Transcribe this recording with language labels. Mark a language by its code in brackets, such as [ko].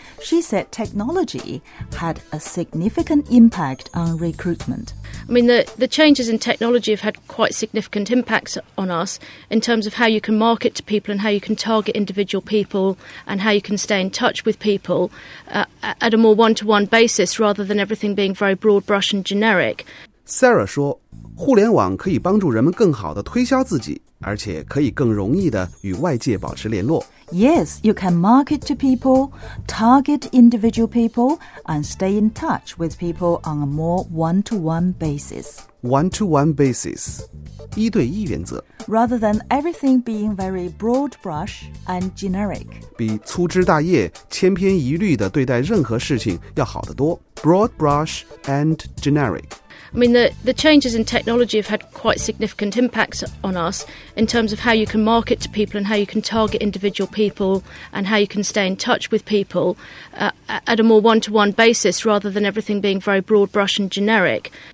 [en] She said technology had a significant impact on recruitment. I mean, the changes in technology have had quite significant impacts on us in terms of how you can market to people and how you can target individual people and how you can stay in touch with people at a more one-to-one basis rather than everything being very broad brush and generic. [zh] Sarah 说，互联网可以帮助人们更好地推销自己，而且可以更容易地与外界保持联络。 [en] Yes, you can market to people, target individual people, and stay in touch with people on a more one-to-one basis. One-to-one basis, [zh] 一对一原则。 [en] Rather than everything being very broad brush and generic. [zh] 比粗枝大叶、千篇一律地对待任何事情要好得多。 [en] Broad brush and generic. I mean, the changes in technology have had quite significant impacts on us in terms of how you can market to people and how you can target individual people and how you can stay in touch with people at a more one-to-one basis rather than everything being very broad brush and generic.